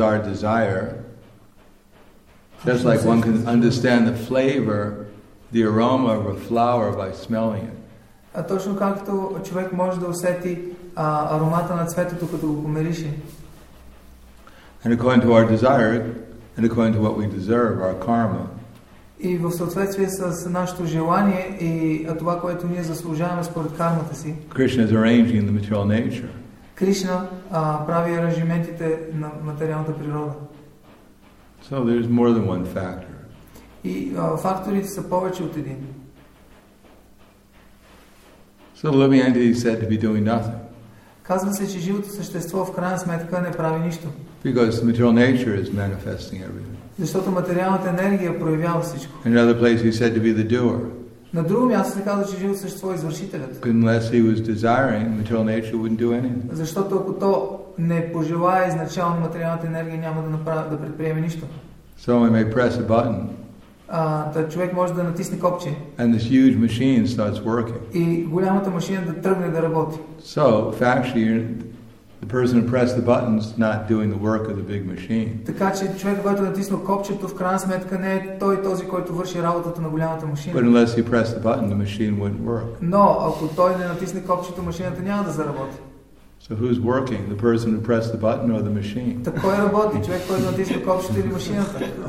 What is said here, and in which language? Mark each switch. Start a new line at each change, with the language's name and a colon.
English: our desire just like one can understand the flavor, the aroma of a flower by smelling it.
Bulgarian: Точно както човек може да усети аромата на цветето, като го помириши.
English: And according to our desire, and according to what we deserve, our karma.
Bulgarian: И в съответствие с нашето желание и това, което ние заслужаваме според кармата си.
English: Krishna is arranging the material nature.
Bulgarian: Кришна прави аранжиментите на материалната природа.
English: So there's more than one factor.
Bulgarian: И факторите са повече от един.
English: So the living entity is said to be doing nothing.
Bulgarian: Казва се, че живото същество в крайна сметка не прави нищо.
English: Because the material nature is manifesting everything.
Bulgarian: Защото материалната енергия проявява всичко.
English: In another place he said to be the doer.
Bulgarian: На друго място се казва, че живото същество е извършителят.
English: Unless he was desiring, material nature wouldn't do anything.
Bulgarian: Защото ако то не пожелае изначално материалната енергия, няма да предприеме нищо.
English: So we may press a button.
Bulgarian: Човек може да натисне копче.
English: And this huge machine starts working.
Bulgarian: И голямата машина да тръгне да работи.
English: So, factually, the person who pressed the button's not doing the work of the big machine.
Bulgarian: Така че човек, който натисне копчето, в крайна сметка не е той този, който върши работата на голямата машина.
English: But unless he pressed the button, the machine wouldn't work.
Bulgarian: Но ако той не натисне копчето, машината няма да заработи.
English: So who's working, the person who pressed the button or the machine?
Bulgarian: Та кой работи, човек, който натисне копчето или машината?